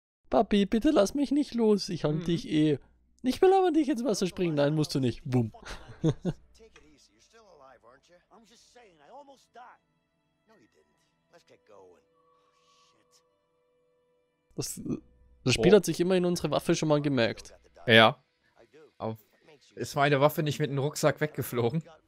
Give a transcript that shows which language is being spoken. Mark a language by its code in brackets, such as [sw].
[de] Papi, bitte lass mich nicht los. Ich halte dich eh. Ich will aber nicht ins Wasser springen. Nein, musst du nicht. Boom. [en] Take it easy. You're still alive, aren't you? I'm just saying, I almost died. No, you didn't. Let's get going. Shit. [de] Das Spiel hat sich immerhin unsere Waffe schon mal gemerkt. Ja. Aber ist meine Waffe nicht mit dem Rucksack weggeflogen?